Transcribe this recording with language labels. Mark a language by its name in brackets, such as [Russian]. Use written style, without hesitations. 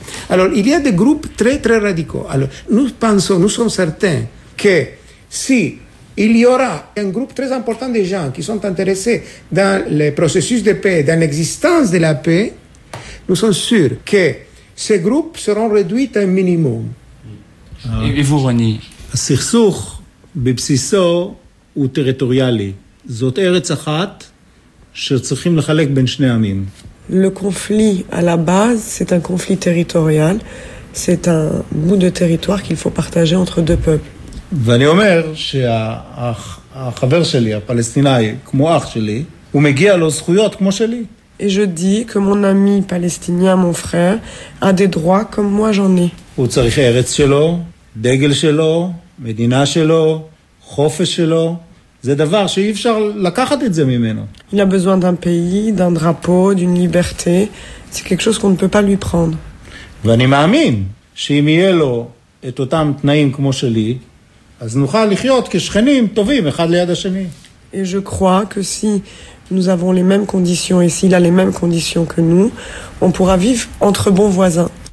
[French] Alors il y a des groupes très très radicaux. Alors nous sommes certains que si... Il y aura un groupe très important de gens qui sont intéressés dans le processus de paix, dans l'existence de la paix. Nous sommes sûrs que ces groupes seront réduits à un minimum. Et vous, Rony? [Hebrew] Le סכסוך בבסיסו הוא טריטוריאלי. זאת ארץ אחת שצריכים לחלק בין שני עמים. [French] Le conflit à la base, c'est un conflit territorial. C'est un bout de territoire qu'il faut partager entre deux peuples. [Hebrew] ואני אומר שהחבר שלי, הפלסטיני, כמו אח שלי, הוא מגיע לו זכויות כמו שלי. [French] Et je dis que mon ami palestinien, mon frère, a des droits comme moi j'en ai. [Hebrew] הוא צריך ארץ שלו, דגל שלו, מדינה שלו, חופש שלו, זה דבר שאי אפשר לקחת את זה ממנו. [French] Il a besoin d'un pays, d'un drapeau, d'une liberté. C'est quelque chose qu'on ne peut pas lui prendre. [Hebrew] ואני מאמין שאם יהיה לו את אותם תנאים כמו שלי, אז נוכל לחיות כשכנים טובים אחד ליד השני. [French] Et je crois que si nous avons les mêmes conditions et s'il a les mêmes conditions que nous, on pourra vivre entre bons voisins.